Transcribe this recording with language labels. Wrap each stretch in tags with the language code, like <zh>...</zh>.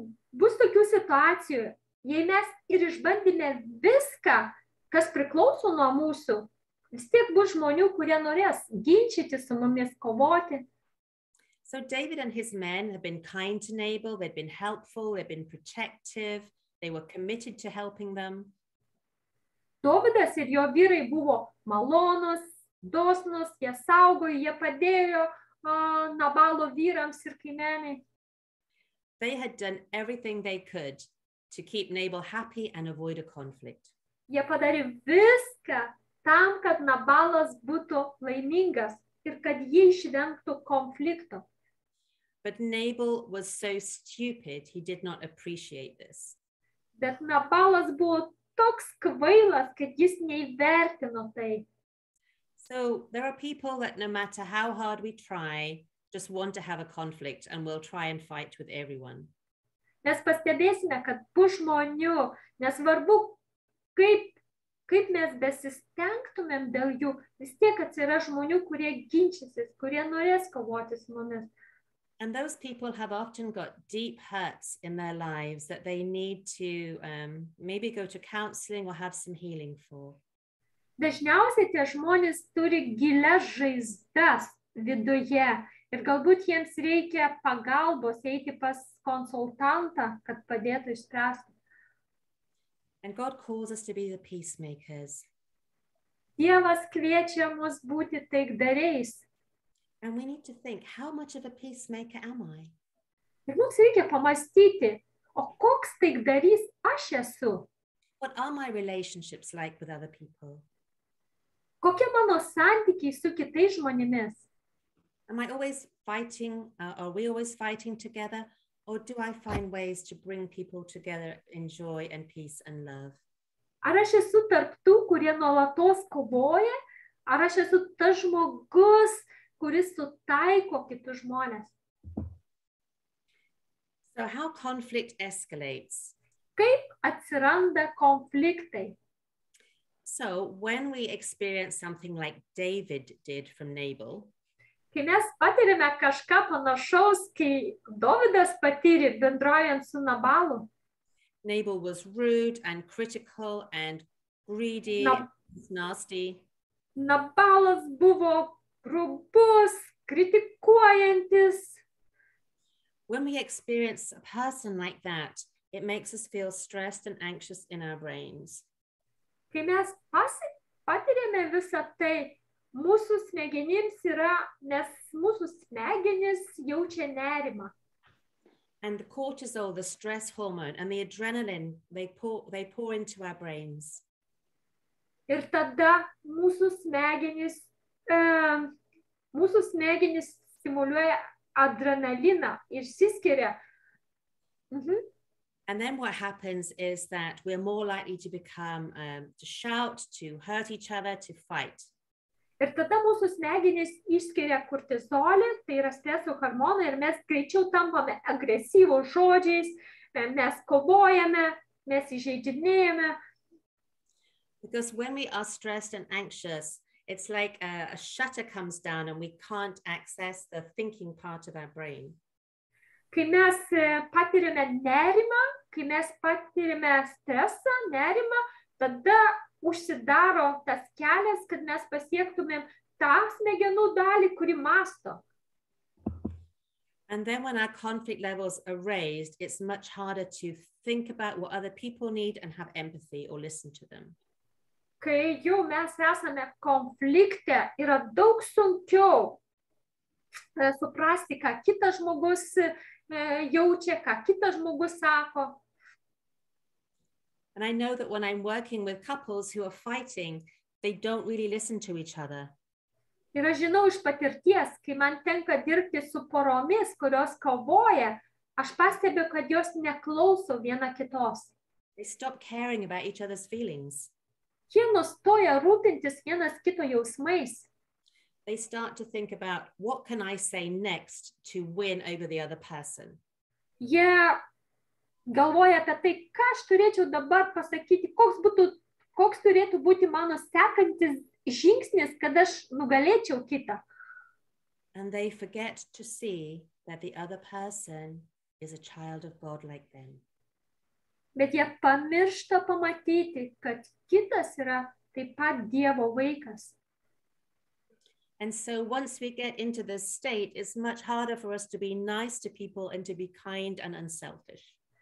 <lt>Bus tokių situacijų, jei mes ir išbandyme viską, kas priklauso nuo mūsų, vis tiek bus žmonių, kurie norės ginčyti su mumis, kovoti.</lt> <en>So David and his men have been kind to Nabal, they've been helpful, they've been protective, they were committed to helping them.</en> <lt>Dovydas ir jo vyrai buvo malonus, dosnus, jie saugojo, jie padėjo Nabalo vyrams ir kaimenei.</lt> <en>They had done everything they could to keep Nabal happy and avoid a conflict.</en> <lt>Jie padarė viską tam, kad Nabalas būtų laimingas ir kad jie išvengtų konflikto.</lt> <en>But Nabal was so stupid, he did not appreciate this.</en> <lt>Bet Nabalas buvo toks kvailas, kad jis neįvertino tai.</lt> <en>So there are people that no matter how hard we try, just want to have a conflict and will try and fight with everyone.</en> <lt>Mes pastebėsime, kad bus žmonių, nesvarbu, kaip mes besistengtumėm dėl jų, vis tiek atsiras žmonių, kurie ginčysis, kurie norės kovoti su mumis.</lt> <en>And those people have often got deep hurts in their lives that they need to maybe go to counseling or have some healing for.</en> <lt>Dažniausiai tie žmonės turi gilias žaizdas viduje ir galbūt jiems reikia pagalbos eiti pas konsultantą, kad padėtų išspręsti.</lt> <en>And God calls us to be the peacemakers.</en> <lt>Dievas kviečia mus būti taikdariais.</lt> <en>And we need to think, how much of a peacemaker am I?</en> <lt>Ir mums reikia pamastyti, o koks taikdarys aš esu?</lt> <en>What are my relationships like with other people?</en> <lt>Kokie mano santykiai su kitais žmonėmis?</lt> <en>Am I always fighting, are we always fighting together? Or do I find ways to bring people together in joy and peace and love?</en> <lt>Ar aš esu tarp tų, kurie nuolatos kovoja? Ar aš esu tas žmogus, kuris sutaiko kitus žmonės?</lt> <en>So how conflict escalates?</en> <lt>Kaip atsiranda konfliktai?</lt> <en>So when we experience something like David did from Nabal,</en> <lt>kai mes patyrėme kažką panašaus, kai Dovydas patyrė bendraujant su Nabalu.</lt> <en>Nabal was rude and critical and greedy and nasty.</en> <lt>Nabalas buvo grubus, kritikuojantis.</lt> <en>When we experience a person like that, it makes us feel stressed and anxious in our brains.</en> <lt>Kai mes patiriame visą tai, mūsų smegenims yra, nes mūsų smegenys jaučia nerimą.</lt> <en>And the cortisol, the stress hormone, and the adrenaline, they pour into our brains.</en> <lt>Ir tada mūsų smegenys stimuliuoja adrenaliną, išsiskiria.</lt> <en>And then what happens is that we're more likely to become, to shout, to hurt each other, to fight.</en> <lt>Ir tada mūsų smegenys išskiria kortizolį, tai yra streso hormonai, ir mes greičiau tampame agresyvus žodžiais, mes kovojame, mes įžeidinėjame.</lt> <en>Because when we are stressed and anxious, it's like a shutter comes down and we can't access the thinking part of our brain.</en> <lt>Kai mes patiriame nerimą, kai mes patiriame stresą, nerimą, tada užsidaro tas kelias, kad mes pasiektumėm tą smegenų dalį, kuri masto.</lt> <en>And then when our conflict levels are raised, it's much harder to think about what other people need and have empathy or listen to them.</en> <lt>Kai jau mes esame konflikte, yra daug sunkiau suprasti, ką kitas žmogus jaučia, ką kitas žmogus sako.</lt> <en>And I know that when I'm working with couples who are fighting, they don't really listen to each other.</en> <lt>Ir aš žinau iš patirties, kai man tenka dirbti su poromis, kurios kovoja, aš pastebiu, kad jos neklauso viena kitos.</lt> <en>They stop caring about each other's feelings.</en> <lt>Jie nustoja rūpintis vienas kito jausmais.</lt> <en>They start to think about what can I say next to win over the other person.</en> <lt>Jie galvoja apie tai, ką aš turėčiau dabar pasakyti, koks turėtų būti mano sekantis žingsnis, kad aš nugalėčiau kitą.</lt> <en>And they forget to see that the other person is a child of God like them.</en> <lt>Bet jie pamiršta pamatyti, kad kitas yra taip pat Dievo vaikas.</lt> <en>And so once we get into this state, it's much harder for us to be nice to people and to be kind and unselfish.</en>